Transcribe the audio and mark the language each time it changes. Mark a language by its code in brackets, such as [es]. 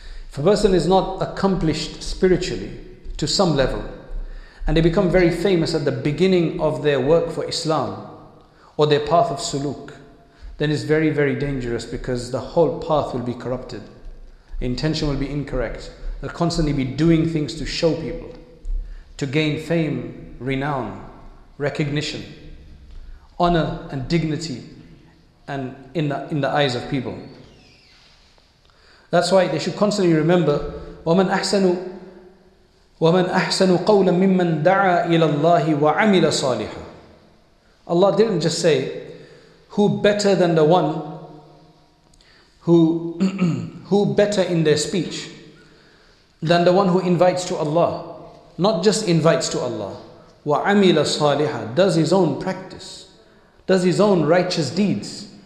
[en] If a person is not accomplished spiritually to some level and they become very famous at the beginning of their work for Islam or their path of suluk, then it's very, very dangerous, because the whole path will be corrupted. Intention will be incorrect. They'll constantly be doing things to show people, to gain fame, renown, recognition, honor and dignity, and in the eyes of people. That's why they should constantly remember, [ar] وَمَنْ أَحْسَنُ قَوْلًا مِمَّنْ دَعَى إِلَى اللَّهِ وَعَمِلَ صَالِحًا. [en] Allah didn't just say, who better than the one who better in their speech than the one who invites to Allah? Not just invites to Allah. [ar] وَعَمِلَ صَالِحًا, [en] does his own practice, does his own righteous deeds.